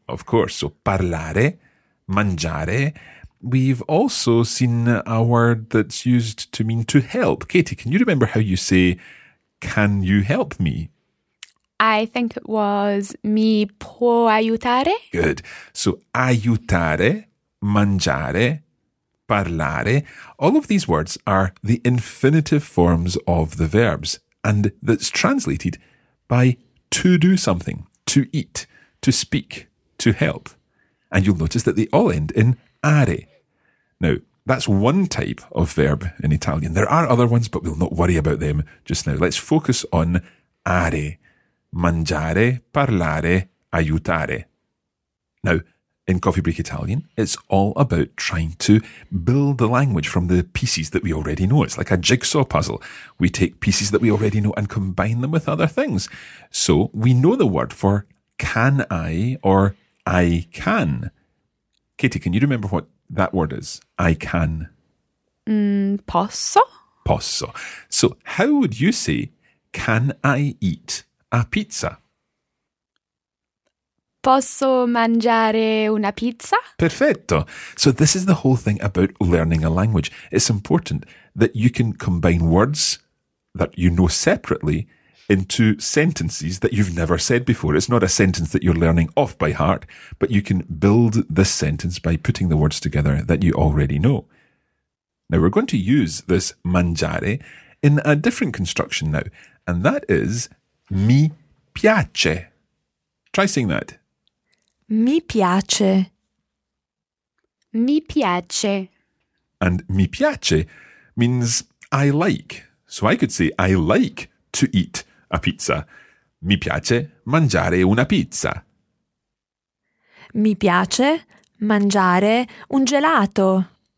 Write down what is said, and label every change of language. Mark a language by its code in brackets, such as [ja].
[en] Of course. So [it] parlare, mangiare. [en] We've also seen a word that's used to mean to help. Katie, can you remember how you say... Can you help me? I think it was [it] mi può aiutare. [en] Good. So [it] aiutare, mangiare, parlare. [en] All of these words are the infinitive forms of the verbs and that's translated by to do something, to eat, to speak, to help. And you'll notice that they all end in are. Now, that's one type of verb in Italian. There are other ones, but we'll not worry about them just now. Let's focus on are. [it] Mangiare, parlare, aiutare. [en] Now, in Coffee Break Italian, it's all about trying to build the language from the pieces that we already know. It's like a jigsaw puzzle. We take pieces that we already know and combine them with other things. So we know the word for can I or I can. Katie, can you remember what that word is? I can. [it] Posso? Posso. [en] So how would you say, can I eat a pizza? [it] Posso mangiare una pizza? Perfetto. [en] So this is the whole thing about learning a language. It's important that you can combine words that you know separately into sentences that you've never said before. It's not a sentence that you're learning off by heart, but you can build this sentence by putting the words together that you already know. Now, we're going to use this mangiare in a different construction now, and that is [it] mi piace. [en] Try saying that. [it] Mi piace. Mi piace. [en] And [it] mi piace [en] means I like. So I could say I like to eat a pizza. [it] Mi piace mangiare una pizza. Mi piace mangiare un gelato.